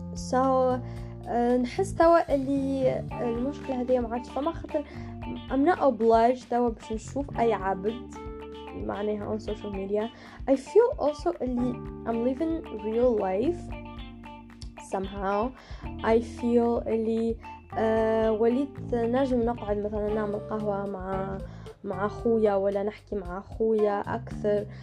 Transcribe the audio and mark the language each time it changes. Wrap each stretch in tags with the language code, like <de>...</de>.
<ar>So نحس توا اللي المشكلة هذه ما عادش فما خطر</ar> <en>I'm not obliged</en> <ar>توا باش نشوف أي عبد معناها</ar> <en>on social media. I feel also I'm living real life somehow. I feel</en> <ar>اللي وليت نجم نقعد مثلا نعمل قهوة مع أخويا ولا نحكي مع أخويا أكثر.</ar>